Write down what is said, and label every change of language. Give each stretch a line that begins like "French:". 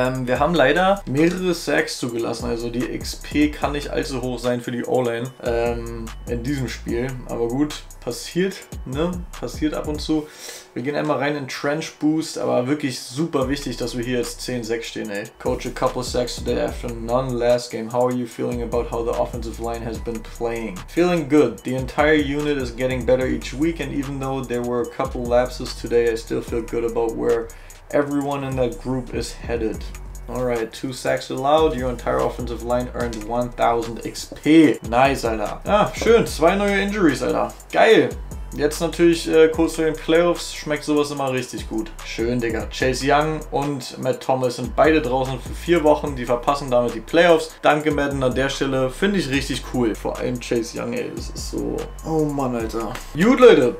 German: Wir haben leider mehrere Sacks zugelassen. Also die XP kann nicht allzu hoch sein für die O-Line in diesem Spiel. Aber gut, passiert, ne? Passiert ab und zu. Wir gehen einmal rein in Trench Boost, aber wirklich super wichtig, dass wir hier jetzt 10-6 stehen, ey.
English: Coach, a couple sacks today after none last game. How are you feeling about how the offensive line has been playing? Feeling good. The entire unit is getting better each week and even though there were a couple lapses today, I still feel good about where everyone in that group is headed. Alright, 2 sacks allowed. Your entire offensive line earned 1000 XP.
German: Nice, Alter. Ah, schön. 2 neue Injuries, Alter. Geil. Jetzt natürlich kurz vor den Playoffs schmeckt sowas immer richtig gut. Schön, Digga. Chase Young und Matt Thomas sind beide draußen für 4 Wochen. Die verpassen damit die Playoffs. Danke, Madden, an der Stelle. Finde ich richtig cool. Vor allem Chase Young, ey. Das ist so... Oh Mann, Alter. Gut, Leute.